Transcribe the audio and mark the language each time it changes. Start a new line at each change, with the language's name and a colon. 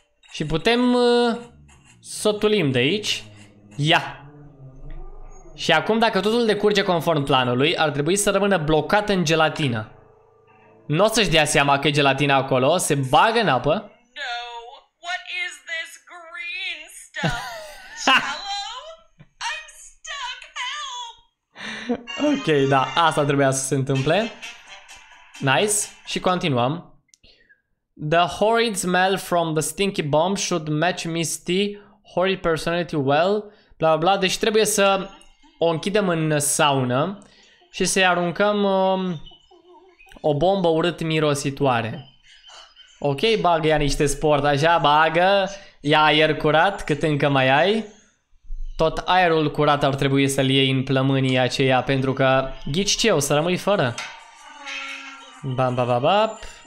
Romanian: Și putem să tulim de aici. Ia! Și acum, dacă totul decurge conform planului, ar trebui să rămână blocat în gelatină. Nu o să-și dea seama că e gelatina acolo, se bagă în apă.
English: No, what is this green stuff? Hello? I'm stuck, help!
Romanian: Ok, da, asta trebuia să se întâmple. Nice, și continuăm.
English: The horrid smell from the stinky bomb should match Misty's horrid personality well. Bla, bla, bla.
Romanian: Deci trebuie să o închidem în saună și să-i aruncăm o bombă urât mirositoare. Ok, bagă ea niște sport așa, bagă, ia aer curat cât încă mai ai. Tot aerul curat ar trebui să-l iei în plămânii aceia, pentru că ghici ce, o să rămâi fără. Bam, bam, bam, bam.